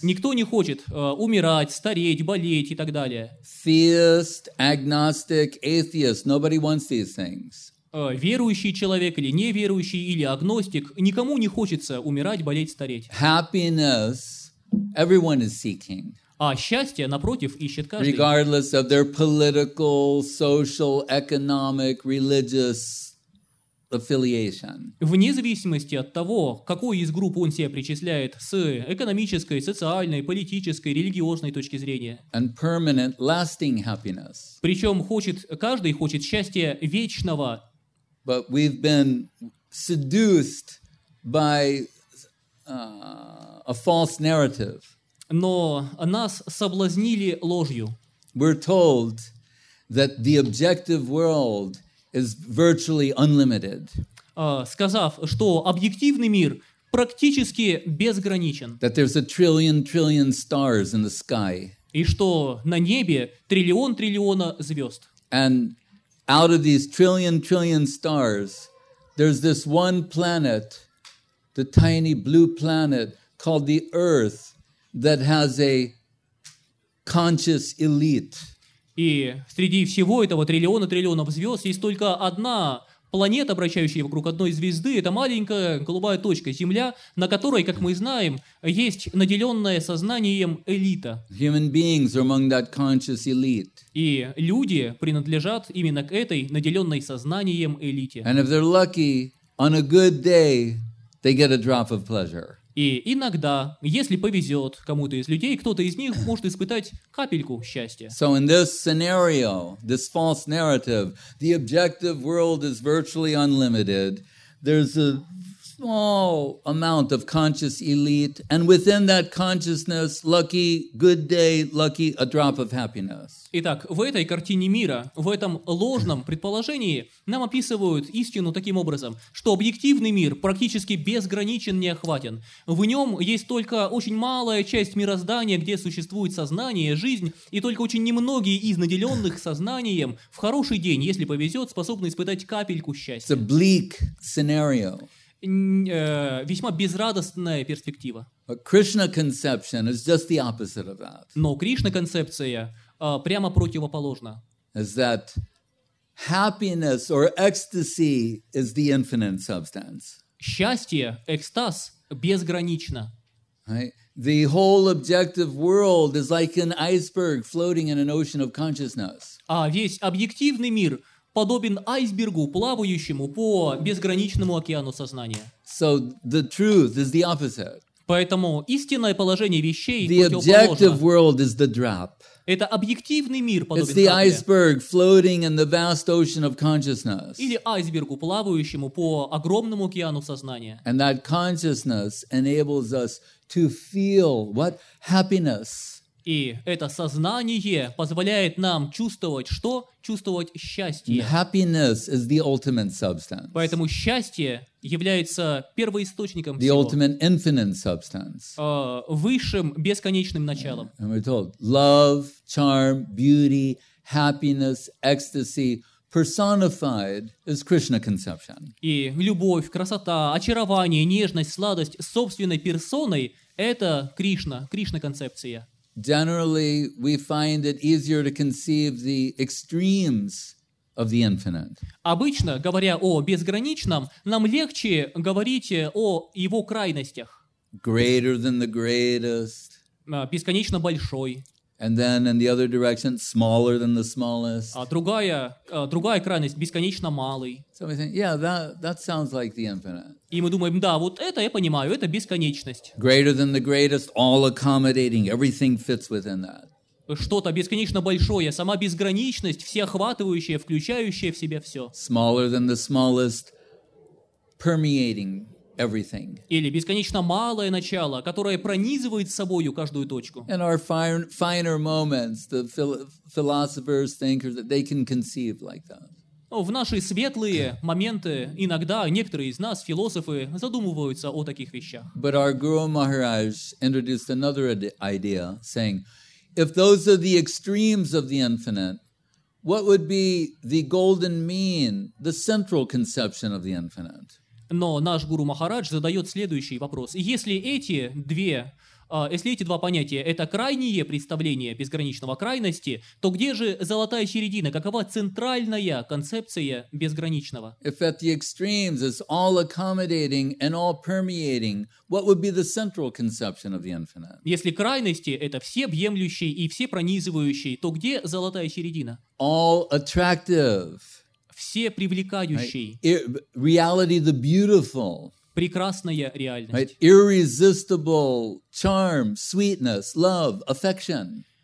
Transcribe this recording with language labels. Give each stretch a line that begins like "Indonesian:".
Russian: Никто не хочет умирать, стареть, болеть и так далее.
English: Theist, agnostic, atheist. Nobody wants these things.
Russian: Верующий человек или неверующий, или агностик, никому не хочется умирать, болеть, стареть.
English: Happiness everyone is seeking.
Russian: А счастье, напротив, ищет каждый.
English: Regardless of their political, social, economic, religious affiliation.
Russian: Вне зависимости от того, какой из групп он себя причисляет с экономической, социальной, политической, религиозной точки зрения.
English: And permanent, lasting happiness.
Russian: Причем каждый хочет счастья вечного.
English: But we've been seduced by a false narrative.
Russian: Но нас соблазнили ложью.
English: We're told that the objective world is virtually unlimited.
Russian: Сказав, что объективный мир практически безграничен.
English: That there's a trillion stars in the sky.
Russian: И что на небе триллион звезд.
English: And out of these trillion stars, there's this one planet, the tiny blue planet called the Earth, that has a conscious elite.
Russian: И среди всего этого триллионов звезд есть только одна планета, обращающаяся вокруг одной звезды. Это маленькая голубая точка Земля, на которой, как мы знаем, есть наделенная сознанием элита.
English: Human beings are among that conscious elite.
Russian: И люди принадлежат именно к этой наделенной сознанием элите.
English: And if they're lucky, on a good day, they get a drop of pleasure.
Russian: И иногда, если повезет кому-то из людей, кто-то из них может испытать капельку счастья.
English: So in this scenario, this false narrative, the objective world is virtually unlimited. There's a small amount of conscious elite, and within that consciousness, lucky, good day, lucky, a drop of happiness.
Russian: Итак, в этой картине мира, в этом ложном предположении, нам описывают истину таким образом, что объективный мир практически безграничен, неохватен. В нем есть только очень малая часть мироздания, где существует сознание, жизнь, и только очень немногие из наделенных сознанием в хороший день, если повезет, способны испытать капельку счастья.
English: It's a bleak scenario.
Russian: Весьма безрадостная перспектива.
English: But Krishna conception is just the opposite of that.
Russian: Но Кришна-концепция прямо противоположна.
English: Is that happiness or ecstasy is the infinite substance.
Russian: Счастье, экстаз, безгранично.
English: Right? The whole objective world is like an iceberg floating in an ocean of consciousness.
Russian: А весь объективный мир подобен айсбергу, плавающему по безграничному океану сознания.
English: So the truth is the opposite.
Russian: Поэтому истинное положение вещей противоположно.
English: The objective world is the drop.
Russian: Это объективный мир подобен капле.
English: It's the iceberg floating in the vast ocean of consciousness.
Russian: Или айсбергу, плавающему по огромному океану сознания.
English: And that consciousness enables us to feel what happiness.
Russian: И это сознание позволяет нам чувствовать что? Чувствовать счастье.
English: Happiness is the ultimate substance.
Russian: Поэтому счастье является первоисточником
English: the
Russian: всего.
English: The ultimate infinite substance.
Russian: Высшим бесконечным началом.
English: And we're told love, charm, beauty, happiness, ecstasy personified is Krishna conception.
Russian: И любовь, красота, очарование, нежность, сладость собственной персоной – это Кришна, Кришна-концепция.
English: Generally, we find it easier to conceive the extremes of the infinite.
Russian: Обычно, говоря о безграничном, нам легче говорить о его крайностях.
English: Greater than the greatest.
Russian: Бесконечно большой.
English: And then in the other direction, smaller than the smallest.
Russian: Другая крайность, бесконечно малый.
English: So we think, yeah, that sounds like the infinite.
Russian: И мы думаем, да, вот это я понимаю, это бесконечность.
English: Greater than the greatest, all accommodating, everything fits within that.
Russian: Что-то бесконечно большое, сама безграничность, всеохватывающая, включающая в себя все.
English: Smaller than the smallest, permeating everything.
Russian: Или бесконечно малое начало, которое пронизывает собою каждую точку.
English: In our finer moments, the philosophers, thinkers, they can conceive like that.
Russian: В наши светлые моменты иногда некоторые из нас, философы, задумываются о таких вещах.
English: But our Guru Maharaj introduced another idea, saying, if those are the extremes of the infinite, what would be the golden mean, the central conception of the infinite?
Russian: Но наш Гуру Махарадж задает следующий вопрос. Если эти два понятия – это крайние представления безграничного крайности, то где же золотая середина? Какова центральная концепция безграничного?
English: If at the extremes is all accommodating and all permeating, what would be the central conception of the infinite?
Russian: Если крайности – это всеобъемлющие и всепронизывающие, то где золотая середина?
English: All attractive.
Russian: Все привлекающие.
English: Right. Reality the beautiful.
Russian: Прекрасная реальность.
English: Right. Irresistible charm, sweetness, love, affection.